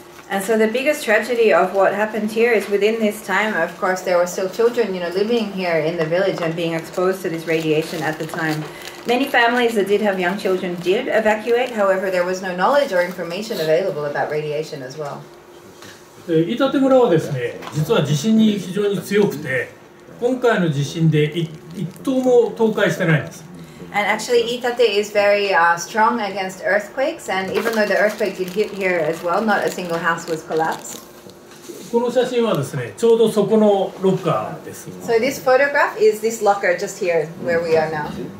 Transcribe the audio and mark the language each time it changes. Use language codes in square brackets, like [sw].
[en] And so the biggest tragedy of what happened here is within this time, of course, there were still children, you know, living here in the village and being exposed to this radiation at the time. Many families that did have young children did evacuate. However, there was no knowledge or information available about radiation as well. [ja] Itate 村はですね、実は地震に非常に強くて、今回の地震で一棟も倒壊してないんです。 [en] And actually, Itate is very strong against earthquakes. And even though the earthquake did hit here as well, not a single house was collapsed. [ja] この写真はですね、ちょうどそこのロッカーです。 [en] So this photograph is this locker just here where we are now.